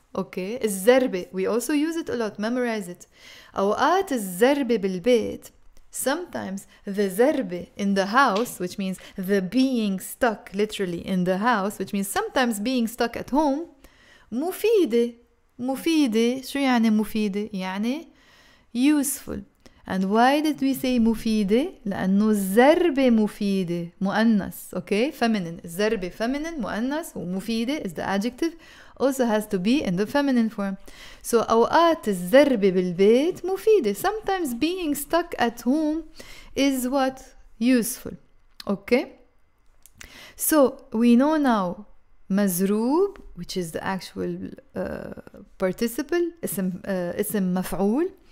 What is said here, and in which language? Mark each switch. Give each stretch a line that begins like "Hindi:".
Arabic: Okay, الزربة.
English: We also use it a lot. Memorize it.
Arabic: أوقات الزربة بالبيت.
English: Sometimes the زربة in the house, which means the being stuck literally in the house, which means sometimes being stuck at home.
Arabic: مفيدة. مفيدة. شو يعني مفيدة؟ يعني useful.
English: And why did we say مفيدة؟
Arabic: لأنه الزربة مفيدة مؤنث.
English: Okay, feminine. الزربة feminine مؤنث ومفيدة is the adjective. Also has to be in the feminine form.
Arabic: So أوقات الزربة بالبيت مفيدة.
English: Sometimes being stuck at home is what? Useful. Okay. So we know now مزروب, which is the actual participle,
Arabic: اسم مفعول.